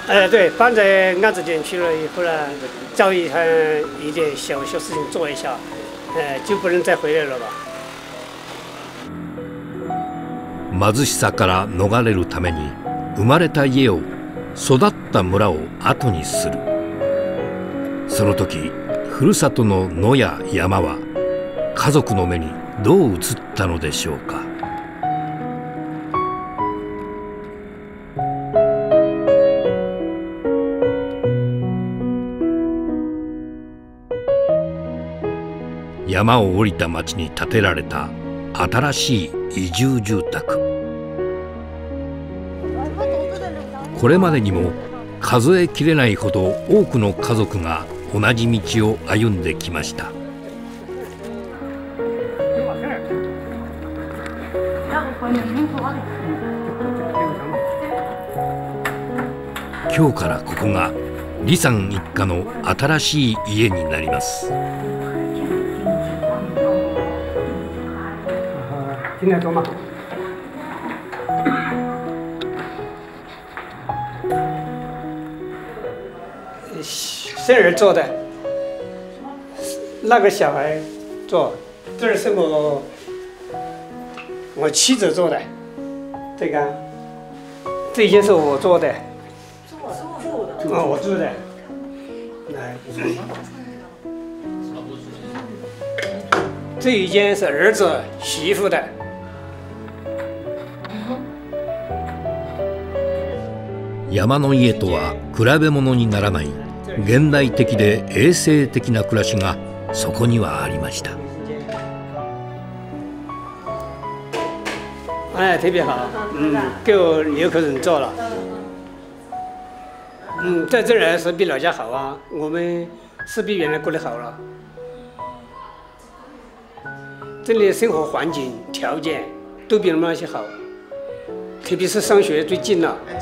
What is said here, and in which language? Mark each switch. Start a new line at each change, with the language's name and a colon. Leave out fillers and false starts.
Chinese: 对，搬在安子店去了以后呢，找一下一点小小事情做一下，就不能再回来了吧。
Japanese: 貧しさから逃れるために生まれた家を育った村を後にする。その時ふるさとの野や山は家族の目にどう映ったのでしょうか。山を降りた町に建てられた新しい移住住宅。これまでにも数え切れないほど多くの家族が同じ道を歩んできました。今日からここが李さん一家の新しい家になります。
Chinese: 生日做的，那个小孩做，这是我我妻子做的，这个，这些是我做的，做的，啊，我做的，来。这一件是儿子媳妇的，
Japanese: 山の家とは比べ物にならない現代的で衛生的な暮らしがそこにはありました。
Chinese: 哎，特别好，嗯，给我留客人做了，嗯，在这儿还是比老家好啊，我们是比原来过得好了，这里的生活环境条件都比那些好，特别是上学最近了。